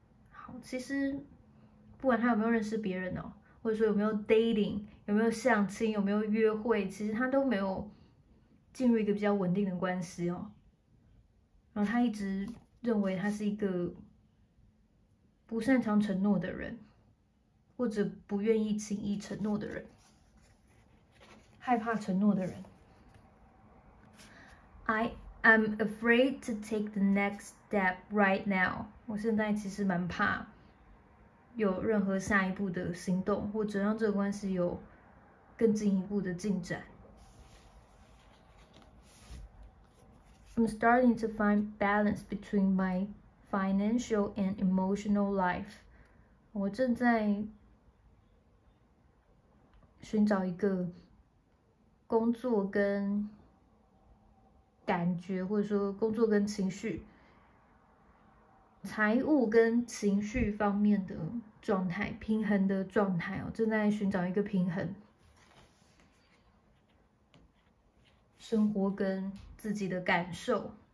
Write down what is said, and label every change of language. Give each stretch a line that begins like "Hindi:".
Chinese: 好，其实不管他有没有认识别人哦，或者说有没有 dating， 有没有相亲，有没有约会，其实他都没有进入一个比较稳定的关系哦。然后他一直认为他是一个不擅长承诺的人，或者不愿意轻易承诺的人，害怕承诺的人。
English: I am afraid to take the next step right now.
Chinese: 我现在其实蛮怕有任何下一步的行动，或者让这个关系有更进一步的进展。
English: I'm starting to find balance between my financial and emotional life.
Chinese: 我正在寻找一个工作跟感觉，或者说工作跟情绪、财务跟情绪方面的状态、平衡的状态哦，正在寻找一个平衡，生活跟自己的感受。